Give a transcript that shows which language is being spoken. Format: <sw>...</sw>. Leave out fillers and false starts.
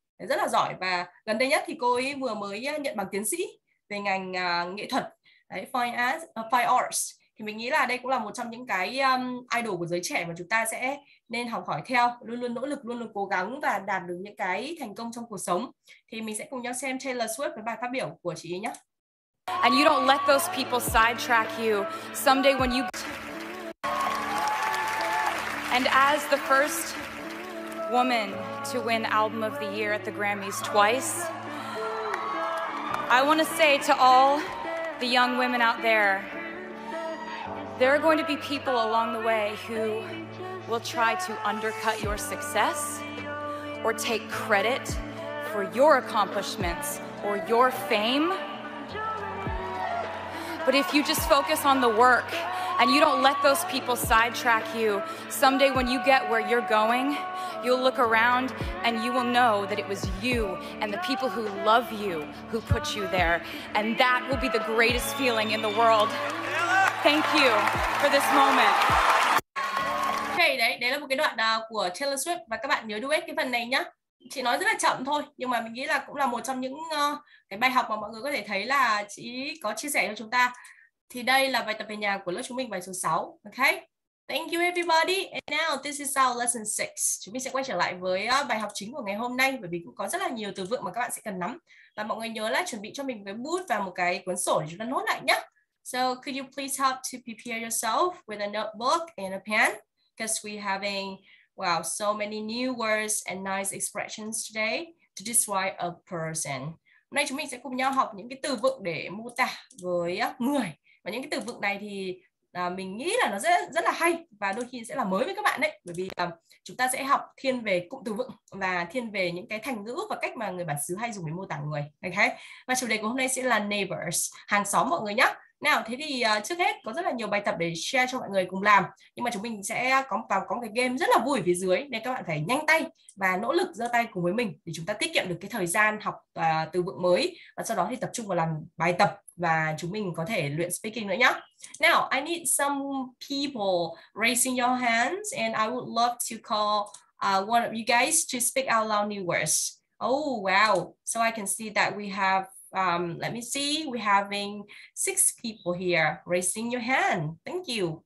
<vi>Đấy, rất là giỏi, và gần đây nhất thì cô ấy vừa mới nhận bằng tiến sĩ về ngành nghệ thuật. Đấy, fine arts. Thì mình nghĩ là đây cũng là một trong những cái idol của giới trẻ mà chúng ta sẽ nên học hỏi theo, luôn luôn nỗ lực, luôn luôn cố gắng và đạt được những cái thành công trong cuộc sống. Thì mình sẽ cùng nhau xem Taylor Swift với bài phát biểu của chị ấy nhé.</vi> <en>And you don't let those people sidetrack you. Someday when you... And as the first woman to win Album of the Year at the Grammys twice, I want to say to all the young women out there, there are going to be people along the way who will try to undercut your success or take credit for your accomplishments or your fame. But if you just focus on the work and you don't let those people sidetrack you, someday when you get where you're going, you'll look around and you will know that it was you and the people who love you who put you there. And that will be the greatest feeling in the world. Thank you for this moment.</en> <vi>Okay, đấy là một cái đoạn của Taylor Swift, và các bạn nhớ duet cái phần này nhá. Chị nói rất là chậm thôi, nhưng mà mình nghĩ là cũng là một trong những cái bài học mà mọi người có thể thấy là chị có chia sẻ cho chúng ta. Thì đây là bài tập về nhà của lớp chúng mình, bài số 6. Okay?</vi> <en>Thank you everybody. And now this is our lesson 6.</en> <vi>Chúng mình sẽ quay trở lại với bài học chính của ngày hôm nay, bởi vì cũng có rất là nhiều từ vựng mà các bạn sẽ cần nắm. Và mọi người nhớ là chuẩn bị cho mình cái bút và một cái cuốn sổ để chúng ta nốt lại nhé.</vi> <en>So could you please help to prepare yourself with a notebook and a pen? Because we're having, wow, so many new words and nice expressions today to describe a person.</en> <vi>Hôm nay chúng mình sẽ cùng nhau học những cái từ vựng để mô tả với người. Và những cái từ vựng này thì mình nghĩ là nó rất là hay, và đôi khi sẽ là mới với các bạn đấy. Bởi vì chúng ta sẽ học thiên về cụm từ vựng và thiên về những cái thành ngữ và cách mà người bản xứ hay dùng để mô tả người. Okay? Và chủ đề của hôm nay sẽ là neighbors, hàng xóm mọi người nhé. Nào, thế thì trước hết có rất là nhiều bài tập để share cho mọi người cùng làm. Nhưng mà chúng mình sẽ có cái game rất là vui ở phía dưới, nên các bạn phải nhanh tay và nỗ lực giơ tay cùng với mình để chúng ta tiết kiệm được cái thời gian học từ vựng mới, và sau đó thì tập trung vào làm bài tập và chúng mình có thể luyện speaking nữa nhá.</vi> <en>Now, I need some people raising your hands, and I would love to call one of you guys to speak out loud new words. Oh, wow. So I can see that we have let me see, we're having 6 people here raising your hand. Thank you.</en>